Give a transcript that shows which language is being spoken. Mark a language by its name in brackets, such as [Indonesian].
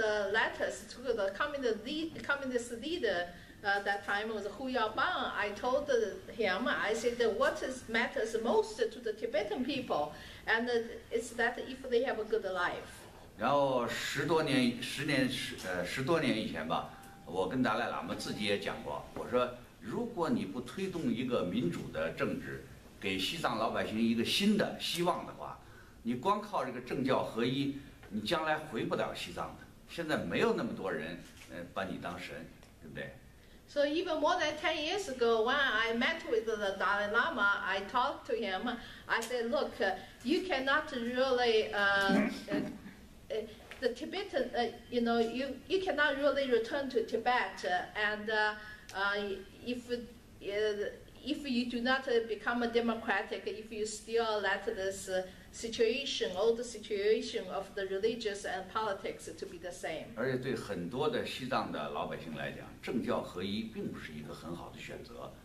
[English] So 30 years ago, when I wrote letters to the communist leader. That time was Hu Yaobang. I told him, I said, what matters most to the Tibetan people? And it's that if they have a good life. [Chinese] 然后十多年以前吧，我跟达赖喇嘛自己也讲过，我说如果你不推动一个民主的政治，给西藏老百姓一个新的希望的话，你光靠这个政教合一，你将来回不了西藏的。现在没有那么多人，把你当神，对不对？ [English] So even more than 10 years ago, when I met with the Dalai Lama, I talked to him. I said, look, you cannot really, the Tibetan, you know, you cannot really return to Tibet. And if you do not become a democratic, if you still let this situation, all the situation of the religious and politics to be the same. [Chinese] 而且对很多的西藏的老百姓来讲，政教合一并不是一个很好的选择。